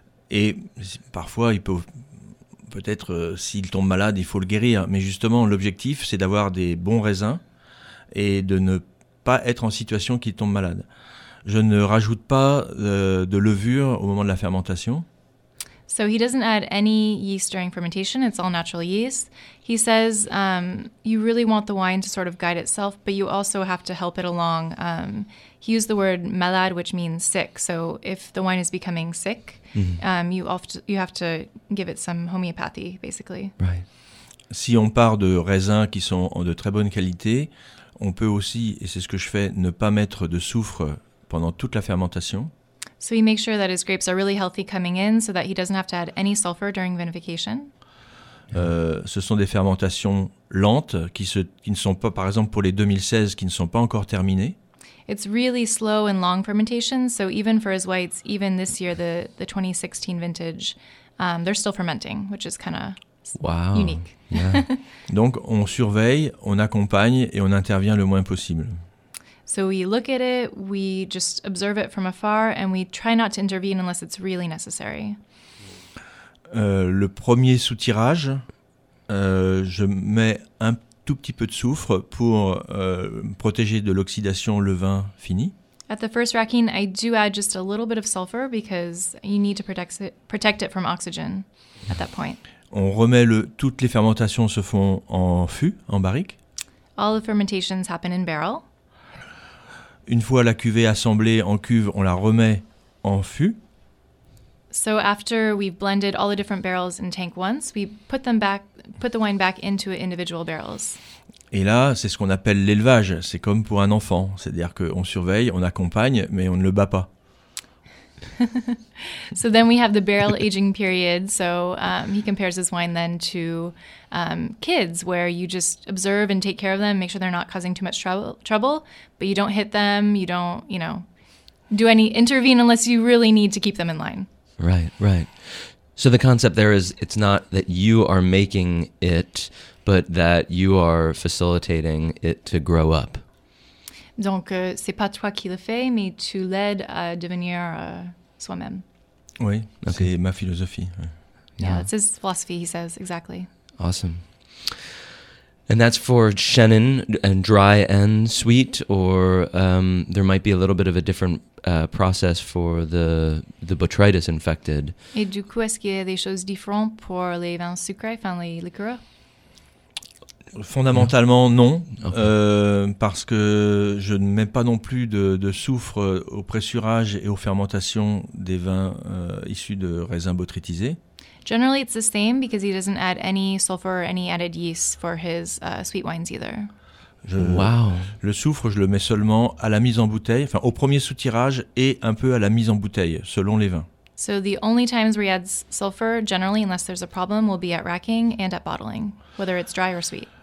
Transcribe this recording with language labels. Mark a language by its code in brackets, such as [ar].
[fr] Et parfois il peut-être s'il tombe malade, il faut le guérir. Mais justement, l'objectif c'est d'avoir des bons raisins et de ne pas être en situation qu'il tombe malade. Je ne rajoute pas de levure au moment de la fermentation. [en] So he doesn't add any yeast during fermentation. It's all natural yeast. He says you really want the wine to sort of guide itself, but you also have to help it along. He used the word malade, which means sick. So if the wine is becoming sick, you have to give it some homeopathy, basically. Right. [fr] Si on part de raisins qui sont de très bonne qualité, on peut aussi, et c'est ce que je fais, ne pas mettre de soufre pendant toute la fermentation. [en] So he makes sure that his grapes are really healthy coming in so that he doesn't have to add any sulfur during vinification. [fr] Ce sont des fermentations lentes qui ne sont pas, par exemple pour les 2016, qui ne sont pas encore terminées. [en] It's really slow and long fermentation, so even for his whites, even this year, the 2016 vintage, they're still fermenting, which is kind of unique. Yeah. [fr] Donc on surveille, on accompagne et on intervient le moins possible. [en] So we look at it, we just observe it from afar, and we try not to intervene unless it's really necessary. [fr] Le premier soutirage, je mets un tout petit peu de soufre pour protéger de l'oxydation le vin fini. [en] At the first racking, I do add just a little bit of sulfur because you need to protect it from oxygen at that point. [fr] On remet le, toutes les fermentations se font en fût, en barrique. [en] All the fermentations happen in barrel. [fr] Une fois la cuvée assemblée en cuve, on la remet en fût. [en] So after we've blended all the different barrels in tank once, we put them back, put the wine back into individual barrels. [fr] Et là, c'est ce qu'on appelle l'élevage. C'est comme pour un enfant. C'est-à-dire qu'on surveille, on accompagne, mais on ne le bat pas. [en] So then we have the barrel aging period. So he compares his wine then to kids, where you just observe and take care of them, make sure they're not causing too much trouble, but you don't hit them, you don't, you know, do any intervene unless you really need to keep them in line. Right, right. So the concept there is it's not that you are making it, but that you are facilitating it to grow up. [fr] Donc, c'est pas toi qui le fais, mais tu l'aides à devenir soi-même. Oui, okay. C'est ma philosophie. [en] Yeah, it's his philosophy, he says, exactly. Awesome. And that's for Chenin and dry and sweet, or there might be a little bit of a different process for the botrytis infected. [fr] Et du coup, est-ce qu'il y a des choses différentes pour les vins sucrés, enfin les liqueurs? Fondamentalement, non, okay. Parce que je ne mets pas non plus de soufre au pressurage et aux fermentations des vins issus de raisins botrytisés. [en] Generally, it's the same because he doesn't add any sulfur or any added yeast for his sweet wines either. Wow. [fr] Le soufre, je le mets seulement à la mise en bouteille, enfin au premier soutirage et un peu à la mise en bouteille, selon les vins. [en] So the only times where he adds sulfur, generally, unless there's a problem, will be at racking and at bottling, whether it's dry or sweet.